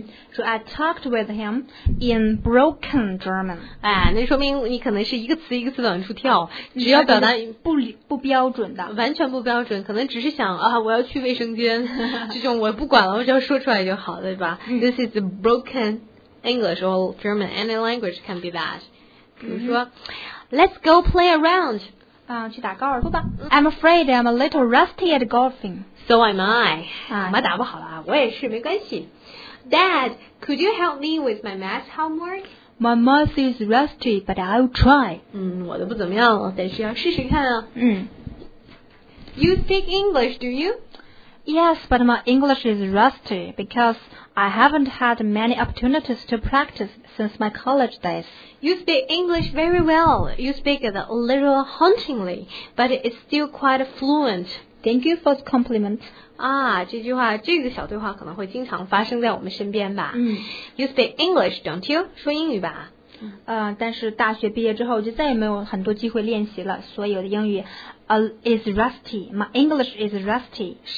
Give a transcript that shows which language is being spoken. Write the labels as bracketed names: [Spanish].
[Chinese] 说 [English] I talked with him in broken German. [Chinese] 那说明你可能是一个词一个词往出跳，只要表达不标准的，完全不标准，可能只是想我要去卫生间，这种我不管了，我只要说出来就好了，对吧？ [English] This is broken English or German. Any language can be that. [Chinese] 比如说 [English] Let's go play around. [Chinese] 去打高尔夫吧。 [English] I'm afraid I'm a little rusty at golfing. So am I. [Chinese] 我打不好了，我也是，没关系。 [English] Dad, could you help me with my math homework? My math is rusty, but I'll try. [Chinese] 我都不怎么样了，但是要试试看啊。 [English] You speak English, do you? Yes, but my English is rusty because I haven't had many opportunities to practice since my college days. You speak English very well. You speak it a little hauntingly, but it's still quite fluent. Thank you for the compliment. [Chinese] 这句话，这个小对话可能会经常发生在我们身边吧。 [English] You speak English, don't you? [Chinese] 说英语吧。但是大学毕业之后就再也没有很多机会练习了，所以我的英语 [English] is rusty, my English is rusty,